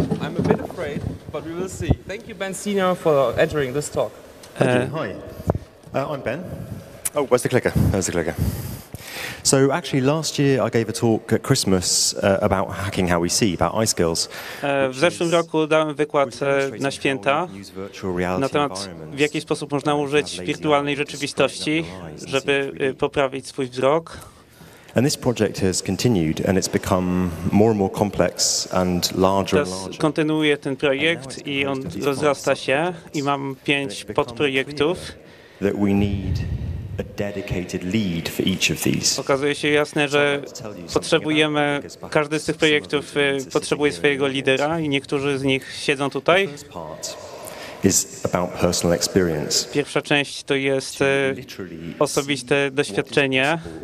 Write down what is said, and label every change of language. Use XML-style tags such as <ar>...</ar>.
<en>I'm a bit afraid, but we will see. Thank you, Ben Senior, for entering this talk. Hi, I'm Ben. Oh, where's the clicker? Where's the clicker? So actually, last year I gave a talk at Christmas about hacking how we see, about eye skills.</en> <pl>W zeszłym roku dałem wykład na święta na temat, w jaki sposób można użyć wirtualnej rzeczywistości, żeby poprawić swój wzrok.</pl> <en>And this project has continued, and it's become more and more complex and larger and larger.</en> <pl>Kontynuuje ten projekt i on rozrasta się i mam 5 podprojektów.</pl> <en>That we need a dedicated lead for each of these.</en> <pl>Okazuje się jasne, że potrzebujemy, każdy z tych projektów potrzebuje swojego lidera i niektórzy z nich siedzą tutaj.</pl> <en>Is about personal experience.</en> <pl>Pierwsza część to jest osobiste doświadczenie,</pl>